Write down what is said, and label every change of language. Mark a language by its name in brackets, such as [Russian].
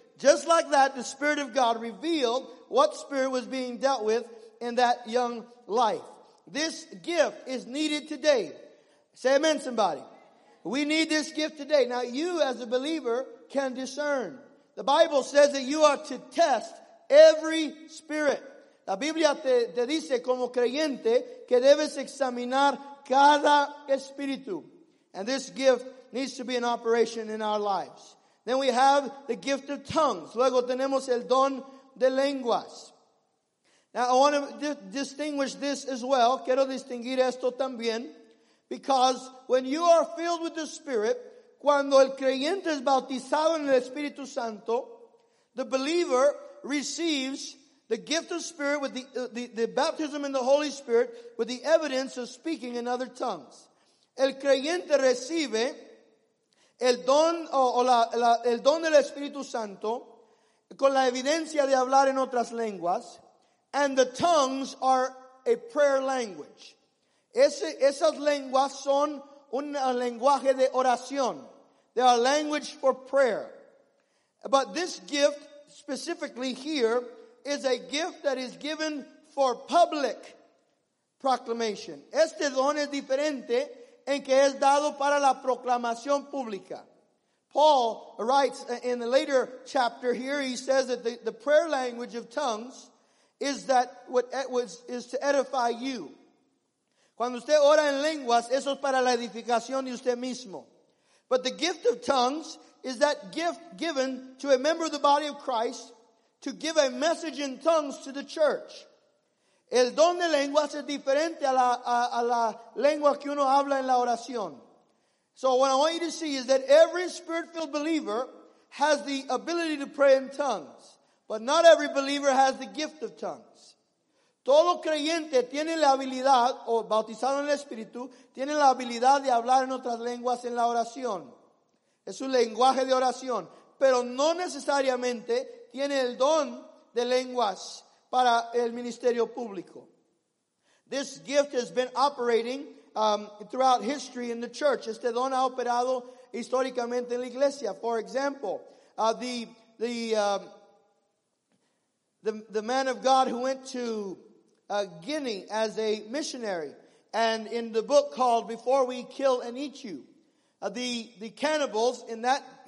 [English] Just like that, the spirit of God revealed what spirit was being dealt with in that young life. This gift is needed today. Say amen, somebody. We need this gift today. Now, you as a believer can discern. The Bible says that you are to test every spirit. [Spanish] La Biblia te dice como creyente que debes examinar cada espíritu. [English] And this gift needs to be in operation in our lives. Then we have the gift of tongues. [Spanish] Luego tenemos el don de lenguas. [English] Now, I want to distinguish this as well. [Spanish] Quiero distinguir esto también. [English] Because when you are filled with the Spirit, [Spanish] cuando el creyente es bautizado en el Espíritu Santo, [English] the believer receives the gift of Spirit with the baptism in the Holy Spirit with the evidence of speaking in other tongues. [Spanish] El creyente recibe el don el don del Espíritu Santo con la evidencia de hablar en otras lenguas, [English] and the tongues are a prayer language. [Spanish] Esas lenguas son un lenguaje de oración. [English] They are language for prayer. But this gift, specifically here, is a gift that is given for public proclamation. [Spanish] Este don es diferente en que es dado para la proclamación pública. [English] Paul writes in the later chapter here, he says that the prayer language of tongues is that what is to edify you. [Spanish] Cuando usted ora en lenguas, eso es para la edificación de usted mismo. [English] But the gift of tongues is that gift given to a member of the body of Christ to give a message in tongues to the church. [Spanish] El don de lenguas es diferente a la lengua que uno habla en la oración. [English] So what I want you to see is that every spirit-filled believer has the ability to pray in tongues. But not every believer has the gift of tongues. [Spanish] Todo creyente tiene la habilidad, o bautizado en el Espíritu, tiene la habilidad de hablar en otras lenguas en la oración. Es un lenguaje de oración. Pero no necesariamente tiene el don de lenguas para el ministerio público. [English] This gift has been operating throughout history in the church. [Spanish] Este don ha operado históricamente en la iglesia. [English] For example, the man of God who went to Guinea as a missionary, and in the book called Before We Kill and Eat You, the cannibals in that